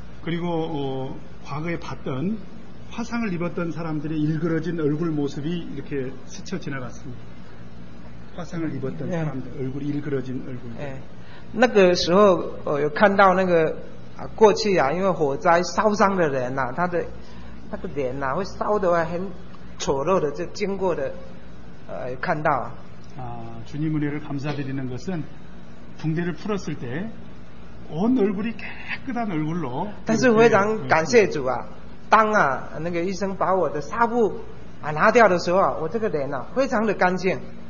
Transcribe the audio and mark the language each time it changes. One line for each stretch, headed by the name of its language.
Korean: 그리고과거에봤던화상을입었던사람들의일그러진얼굴모습이이렇게스쳐지나갔습니다화상을입었던사람들얼굴이일그러진얼굴
Chinese: 那个时候有看到那个啊过去啊因为火灾烧伤的人啊他的那个脸啊会烧得很丑陋的就经过的看到
Korean: 주님은혜를감사드리는것은붕대를풀었을때온얼굴이깨끗한얼굴로
Chinese: 但是非常感谢主啊当啊那个医生把我的纱布啊拿掉的时候啊我这个脸啊非常的干净